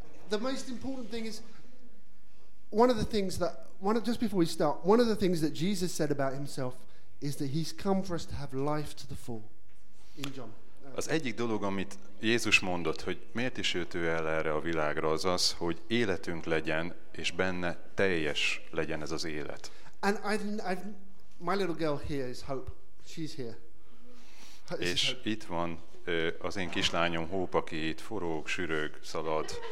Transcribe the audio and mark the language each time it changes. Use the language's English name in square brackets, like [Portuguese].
[English] the most important thing is one of the things that one just before we start, one of the things that Jesus said about himself is that he's come for us to have life to the full. In John. [Hungarian] Az egyik dolog, amit Jézus mondott, hogy miért is jött ő el erre a világra, az az, hogy életünk legyen, és benne teljes legyen ez az élet. [English] And I've my little girl here is Hope. She's here. [Hungarian] És itt van az én kislányom Hope, aki itt forog, sűrög, szalad.